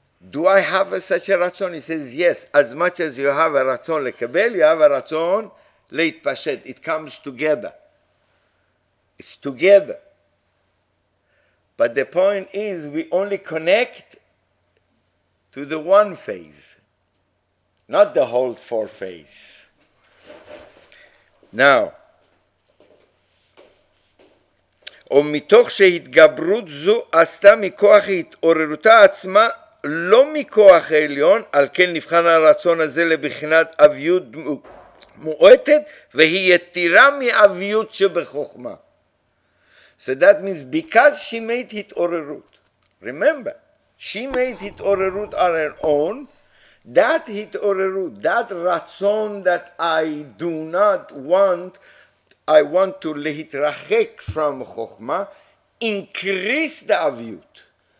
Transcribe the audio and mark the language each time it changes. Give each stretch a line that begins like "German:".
English: Do I have such a Ratzon? He says, yes, as much as you have a Ratzon Lekabel, you have a Ratzon Leit Pashet. It comes together. It's together. But the point is, we only connect to the one phase, not the whole four phase.
Hebrew: Now, ומתוך שהתגברות זו עשתה מכוח התעוררותה עצמה, לא מכוח העליון, על כן נבחן הרצון הזה לבחינת אביות מועטת, והיא יתירה מאביות שבחוכמה.
English: So that means because she made התעוררות. Remember, she made התעוררות on her own. That התעוררות, that רצון that I do not want, I want to להתרחק from חוכמה, increase the אביות.